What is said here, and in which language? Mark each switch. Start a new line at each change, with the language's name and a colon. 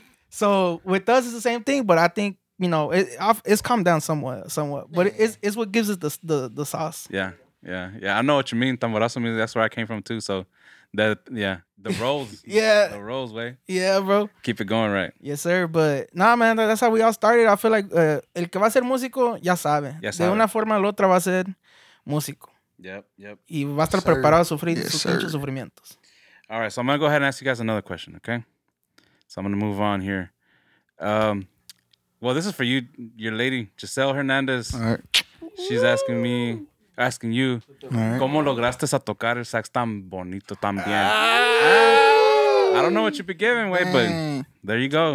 English: So, with us, it's the same thing, but I think, you know, it's calmed down somewhat. But it's what gives us the sauce. Yeah. Yeah, yeah, I know what you mean. Tamborazo music, that's where I came from too. So, the roles. Yeah. The roles, way. Yeah, bro. Keep it going, right? Yes, sir. But, nah, man, that's how we all started. I feel like
Spanish: el que va a ser músico, ya sabe. Ya sabe. De una forma o la otra va a ser músico.
English: Yep.
Spanish: Y va a estar preparado a sufrir sus pinches sufrimientos.
English: All right, so I'm going to go ahead and ask you guys another question, okay? So I'm going to move on here. Well, this is for you, your lady, Giselle Hernandez. All right. She's asking you,
Spanish: ¿cómo lograste a tocar el sax tan bonito también?
English: I don't know what you'd be giving away, but there you go.